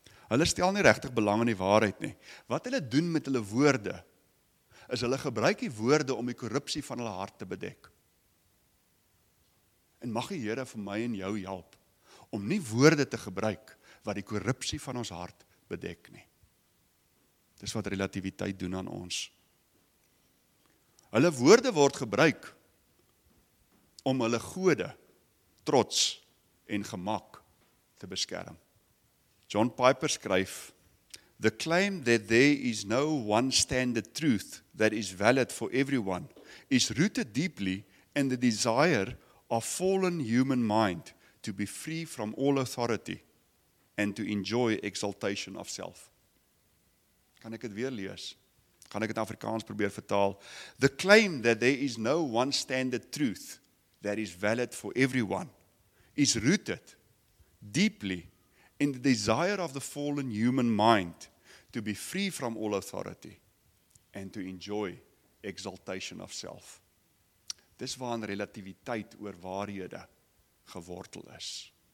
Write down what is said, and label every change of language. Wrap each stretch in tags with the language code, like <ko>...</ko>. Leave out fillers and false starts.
<af>Hulle stel nie regtig belang in die waarheid nie. Wat hulle doen met hulle woorde, is hulle gebruik die woorde om die korrupsie van hulle hart te bedek. En mag die Here vir my en jou help, om nie woorde te gebruik, wat die korrupsie van ons hart bedek nie. Dis wat relativiteit doen aan ons. Hulle woorde word gebruik om hulle gode, trots en gemak te beskerm.</af> <en>John Piper skryf, "The claim that there is no one standard truth that is valid for everyone is rooted deeply in the desire of fallen human mind to be free from all authority and to enjoy exaltation of self."</en> <af>Kan ek dit weer lees? Kan ek het Afrikaans probeer vertaal?</af> <en>The claim that there is no one standard truth that is valid for everyone is rooted deeply in the desire of the fallen human mind to be free from all authority and to enjoy exaltation of self.</en> <af>Dis waar 'n relativiteit oor waarhede gewortel is.</af>